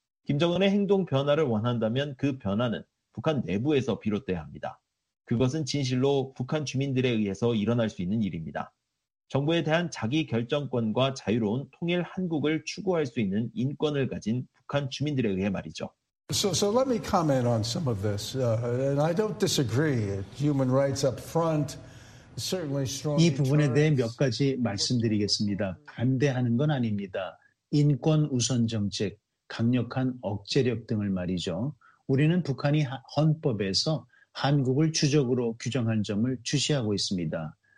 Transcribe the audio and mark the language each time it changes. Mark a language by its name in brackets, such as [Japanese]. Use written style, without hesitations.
[Korean] 김정은의 행동 변화를 원한다면 그 변화는 북한 내부에서 비롯돼야 합니다. 그것은 진실로 북한 주민들에 의해서 일어날 수 있는 일입니다. 정부에 대한 자기 결정권과 자유로운 통일 한국을 추구할 수 있는 인권을 가진 북한 주민들에 의해 말이죠. [English] So let me comment on some of this. And I don't disagree. Human rights up front, [Korean] 이 부분에 대해 몇 가지 말씀드리겠습니다. 반대하는 건 아닙니다. 인권 우선 정책, 강력한 억제력 등을 말이죠. 우리는 북한이 헌법에서 한국을 주적으로 규정한 점을 주시하고 있습니다.